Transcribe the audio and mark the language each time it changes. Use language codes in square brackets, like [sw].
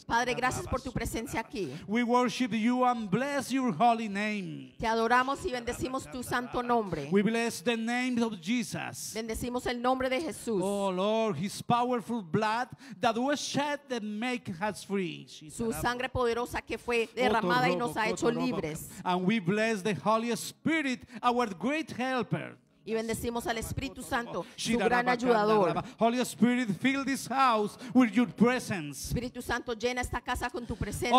[es] Padre, gracias por tu presencia aquí. [en] We worship you and bless your holy name. [es] Te adoramos y bendecimos tu santo nombre. [en] We bless the name of Jesus. [es] Bendecimos el nombre de Jesús. [en] Oh Lord, his powerful blood that was shed that make us free. [es] Su sangre poderosa que fue derramada y nos ha hecho libres. [en] And we bless the Holy Spirit, our great helper. [es] Y bendecimos al Espíritu Santo, su gran ayudador. [en] Holy Spirit, fill this house with your presence. [es] Espíritu Santo, llena esta casa con tu presencia.